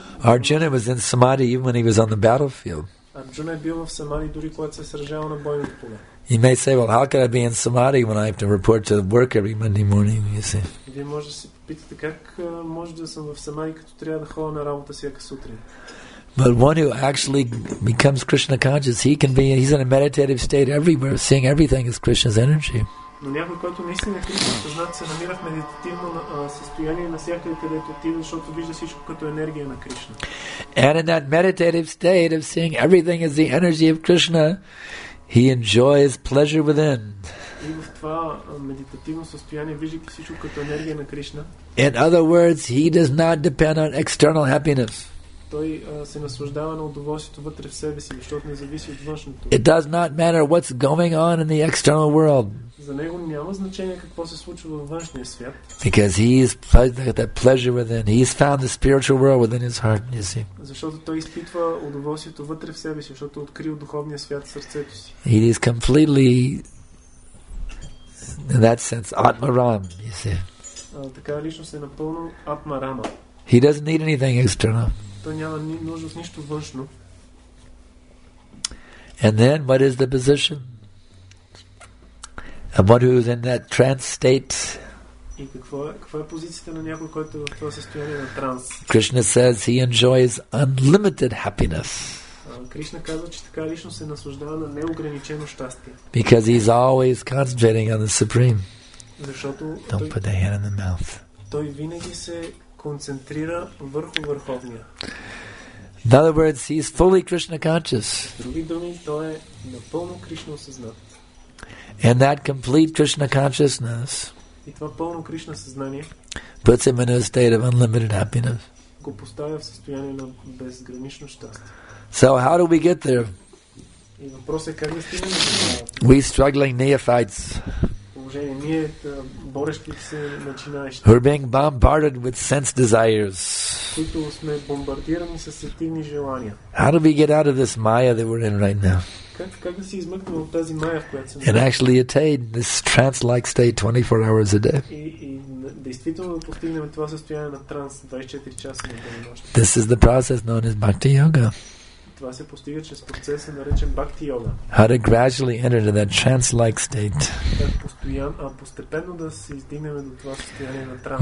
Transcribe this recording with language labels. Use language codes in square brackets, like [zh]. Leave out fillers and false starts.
[en] Arjuna was in samadhi even when he was on the battlefield. [bg] Arjuna бил в самади дори когато се сражава на бойното поле. [en] You may say, well, how can I be in samadhi when I have to report to work every Monday morning, you see? [bg] Вие може да се попитате как може да съм в самади като трябва да ходя на работа всяка сутрин. [en] But one who actually becomes Krishna conscious, he can be, he's in a meditative state everywhere, seeing everything as Krishna's energy. [bg] Но някой, който наистина е Кришна съзнат, се намира в медитативно състояние на всякъде, където отива, защото вижда всичко като енергия на Кришна. [en] And in that meditative state of seeing everything as the energy of Krishna, he enjoys pleasure within. [bg] И в това медитативно състояние, виждайки всичко като енергия на Кришна. [en] In other words, he does not depend on external happiness. [bg] Той се наслаждава на удоволствието вътре в себе си, защото не зависи от външното. [en] It does not matter what's going on in the external world. [bg] За него няма значение какво се случва във външния свят. [en] Because he is that pleasure within, he has found the spiritual world within his heart, you see. [bg] Защото той изпитва удоволствието вътре в себе си, защото открил духовния свят в сърцето си. [en] He is completely in that sense Atmaram, you see. [bg] Така личност е напълно Атмарама. [en] He doesn't need anything external. [bg] Той няма нужда от нищо външно. [en] And then what is the position? A one who is in that trance state. [bg] И каква е позицията на някой, който е в това състояние на транс? [en] Krishna says he enjoys unlimited happiness. [bg] Кришна казва, че така лично се наслаждава на неограничено щастие. [en] Because he is always concentrating on the supreme. [bg] Защото [en] don't put the hand in the mouth. [bg] Той винаги се концентрира върху върховния. [en] In other words, he is fully Krishna conscious. [bg] Други думи, той е напълно Кришна осъзнат. [en] And that complete Krishna consciousness [bg] и това пълно Кришна съзнание [en] puts him in a state of unlimited happiness. [bg] Го поставя в състояние на безгранично щастие. [en] So how do we get there? [bg] И въпросът е как да стигнем. [en] We struggling neophytes. [bg] Положение, ние борещите се начинаещи. [en] We're being bombarded with sense desires. [bg] Които сме бомбардирани с сетивни желания. [en] How do we get out of this Maya that we're in right now? [bg] Как да се измъкнем от тази майя, в която съм? [en] And actually attain this trance-like state 24 hours a day. [bg] И действително да постигнем това състояние на транс 24 часа на ден и нощ. [en] This is the process known as Bhakti Yoga. [bg] Това се постига чрез процеса наречен Bhakti Yoga. [en] How to gradually enter into that trance-like state. [bg] Постепенно да се издигнем до това състояние на транс.